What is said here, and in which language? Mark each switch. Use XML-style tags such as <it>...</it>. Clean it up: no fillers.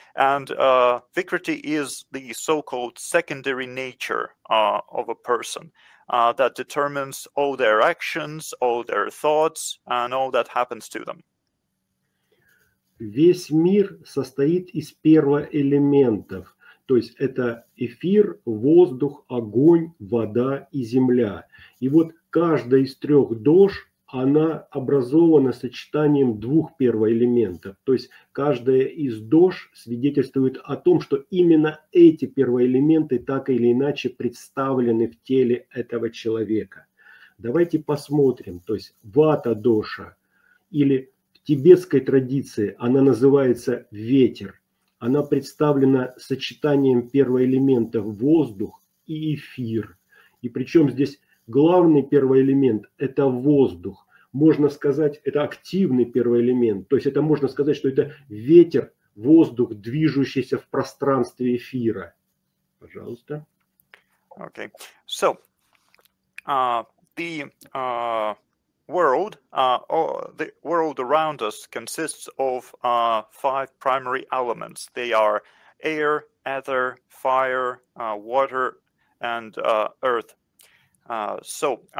<en>And vikriti is the so-called secondary nature of a person that determines all their actions, all their thoughts, and all that happens to them.</en> <ru>Весь мир состоит из первоэлементов. То есть это эфир, воздух, огонь, вода и земля. И вот каждая из трех дош, она образована сочетанием двух первоэлементов. То есть каждая из дош свидетельствует о том, что именно эти первоэлементы так или иначе представлены в теле этого человека. Давайте посмотрим. То есть вата доша или в тибетской традиции она называется ветер. Она представлена сочетанием первоэлементов воздух и эфир. И причем здесь главный первоэлемент – это воздух. Можно сказать, это активный первоэлемент. То есть это можно сказать, что это ветер, воздух, движущийся в пространстве эфира. Пожалуйста.</ru> <en>Okay. So, the world around us consists of five primary elements. They are air, ether, fire, water, and earth. So</en>